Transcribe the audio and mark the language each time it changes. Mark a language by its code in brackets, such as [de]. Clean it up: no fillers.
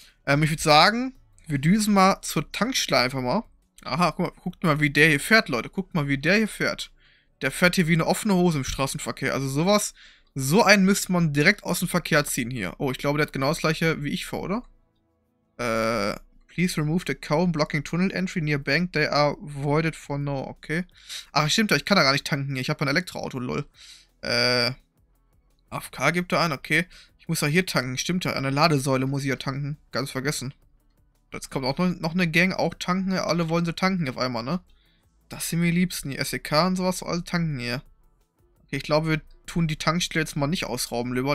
[de] Ich würde sagen, wir düsen mal zur Tankstelle einfach mal. Aha, guckt mal, wie der hier fährt, Leute. Guckt mal, wie der hier fährt. Der fährt hier wie eine offene Hose im Straßenverkehr. Also sowas, so einen müsste man direkt aus dem Verkehr ziehen hier. Oh, ich glaube, der hat genau das gleiche wie ich vor, oder? [en] Please remove the cone blocking tunnel entry near bank. They are voided for now, okay. [de] Ach, stimmt ja, ich kann da gar nicht tanken hier. Ich habe ein Elektroauto, lol. AFK gibt da einen, okay. Ich muss ja hier tanken, stimmt ja. An der Ladesäule muss ich ja tanken. Ganz vergessen. Jetzt kommt auch noch eine Gang, auch tanken. Alle wollen sie tanken auf einmal, ne? Das sind mir die Liebsten, die SEK und sowas, so alle tanken hier. Okay, ich glaube, wir tun die Tankstelle jetzt mal nicht ausrauben, lieber.